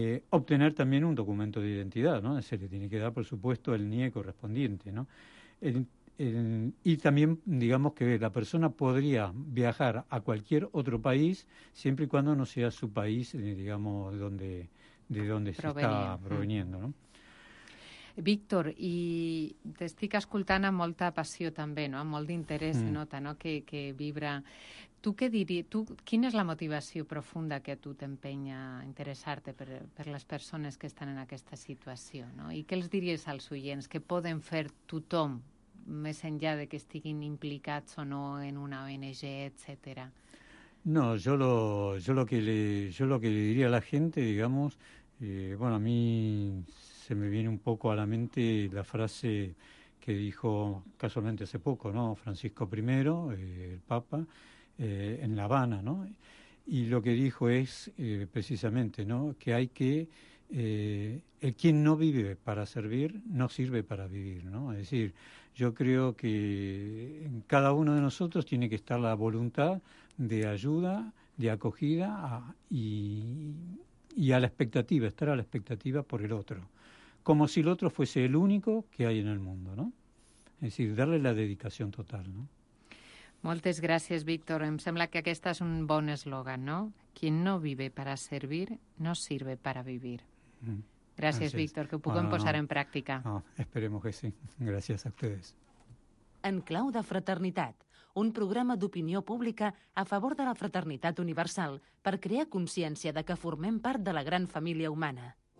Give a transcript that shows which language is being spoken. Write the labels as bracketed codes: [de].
[es] Obtener también un documento de identidad, ¿no? Se le tiene que dar, por supuesto, el NIE correspondiente, ¿no? Y también, digamos, que la persona podría viajar a cualquier otro país, siempre y cuando no sea su país, digamos, de donde se está proveniendo, ¿no? [ca] Víctor, i t'estic escoltant amb molta passió també, no? Amb molt d'interès, nota, no? Que vibra. Tu què diries? Tu, quina és la motivació profunda que a tu t'empenya a interessar-te per les persones que estan en aquesta situació, no? I què els diries als oients que poden fer tothom, més enllà de que estiguin implicats o no en una ONG, etcètera? [es] No, yo lo que le diría a la gente, digamos, bueno, a mí se me viene un poco a la mente la frase que dijo casualmente hace poco, ¿no?, Francisco I, el Papa, en La Habana, ¿no? Y lo que dijo es precisamente, ¿no?, que hay que el quien no vive para servir no sirve para vivir, ¿no? Es decir, yo creo que en cada uno de nosotros tiene que estar la voluntad de ayuda, de acogida y a la expectativa, estar a la expectativa por el otro, como si el otro fuese el único que hay en el mundo, ¿no? Es decir, darle la dedicación total, ¿no? [ca] Moltes gràcies, Víctor. Em sembla que aquest és un bon eslògan, no? [es] Quien no vive para servir, no sirve para vivir. [ca] Gràcies, Víctor, que ho puguem posar en pràctica. [es] No, esperemos que sí. Gràcies a ustedes. [ca] En clau de fraternitat, un programa d'opinió pública a favor de la fraternitat universal per crear consciència de que formem part de la gran família humana.